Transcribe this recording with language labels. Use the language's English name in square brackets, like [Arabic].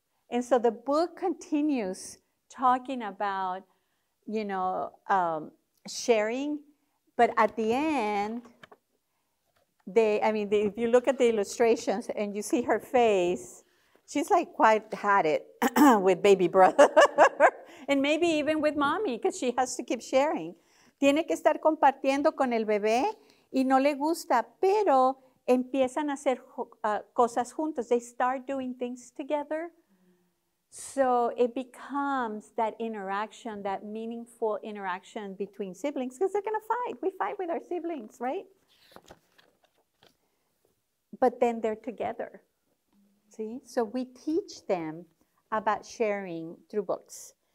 [English] And so the book continues talking about, you know, sharing. But at the end, if you look at the illustrations and you see her face, she's like quite had it with baby brother. And maybe even with mommy, because she has to keep sharing. [Spanish] Tiene que estar compartiendo con el bebé y no le gusta, pero empiezan a hacer cosas juntos. [English] They start doing things together. So it becomes that interaction, that meaningful interaction between siblings, because they're going to fight. We fight with our siblings, right? But then they're together. See? So we teach them about sharing through books.